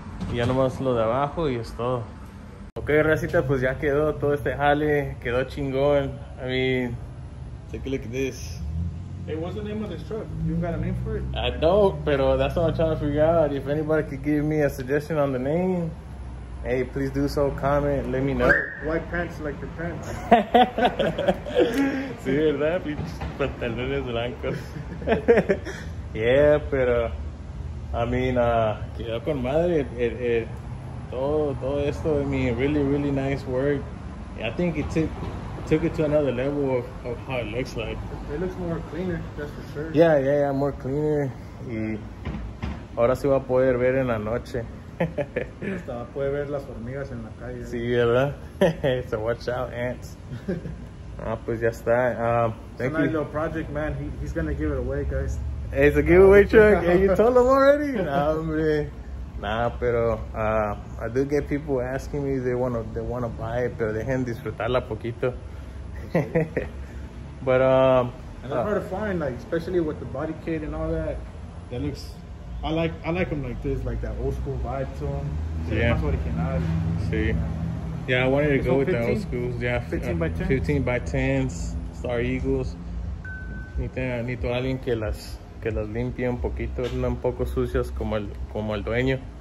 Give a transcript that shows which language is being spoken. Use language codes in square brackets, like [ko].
[es] Y ya nomás lo de abajo y es todo. Ok, racita, pues ya quedó todo este jale. Quedó chingón. [en] I mean, take a look at this. Hey, what's the name of this truck? You got a name for it? I don't, pero that's what I'm trying to figure out. If anybody could give me a suggestion on the name, hey, please do so, comment, let me know. White pants like your pants. [es] Sí, verdad, pinches pantalones blancos. Yeah, pero, [en] I mean, [es] quedó con madre. Todo esto, [en] I mean, really, really nice work. I think it took it to another level of how it looks like. It looks more cleaner, that's for sure. Yeah, more cleaner. [es] Y ahora sí va a poder ver en la noche. Hasta va a poder ver las hormigas en la calle. Sí, ¿verdad? [en] So watch out, ants. [es] pues ya está. [en] Thank you. Nice little project, man. He's going to give it away, guys. Hey, it's a giveaway truck. Hey, you told him already? Nah, hombre. Nah, pero I do get people asking me they wanna buy it, [es] pero dejen disfrutarla poquito. [en] But and they're hard to find, like especially with the body kit and all that. That looks, I like them like this, like that old school vibe to them. Yeah, I wanted to go with 15? The old school. Yeah, 15 by 10s, Star Eagles. [es] Necesito alguien que las limpie un poquito, no un poco sucias como el dueño.